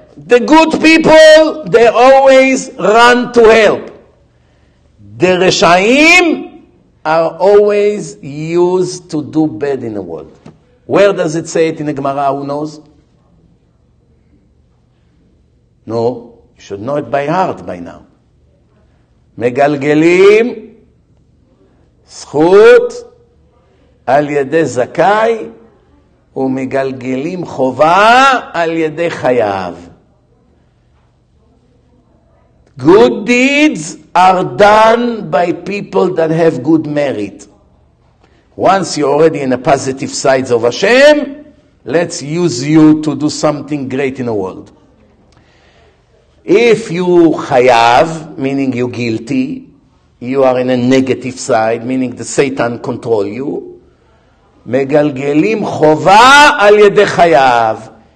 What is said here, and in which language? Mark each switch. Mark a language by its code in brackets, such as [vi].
[en] The good people, they always run to help. The reshaim are always used to do bad in the world. Where does it say it in the Gemara? Who knows? No, you should know it by heart by now. [he] מגלגלים זכות על ידי זכאי ומגלגלים חובה על ידי חייו. [en] Good deeds are done by people that have good merit. Once you're already in a positive side of Hashem, let's use you to do something great in the world. If you chayav, meaning you're guilty, you are in a negative side, meaning the Satan control you, [he] megalgelim chova al yedei chayav.